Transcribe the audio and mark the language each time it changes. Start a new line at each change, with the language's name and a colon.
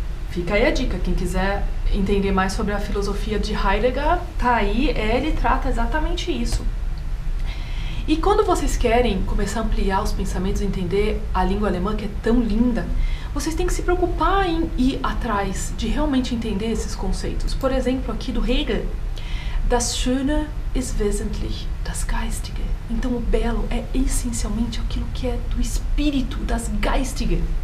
Portuguese: Fica aí a dica, quem quiser entender mais sobre a filosofia de Heidegger, tá aí, ele trata exatamente isso. E quando vocês querem começar a ampliar os pensamentos e entender a língua alemã, que é tão linda, vocês têm que se preocupar em ir atrás de realmente entender esses conceitos. Por exemplo, aqui do Hegel,
German: das Schöne ist wesentlich, das Geistige.
Portuguese: Então o belo é essencialmente aquilo que é do espírito, das Geistige.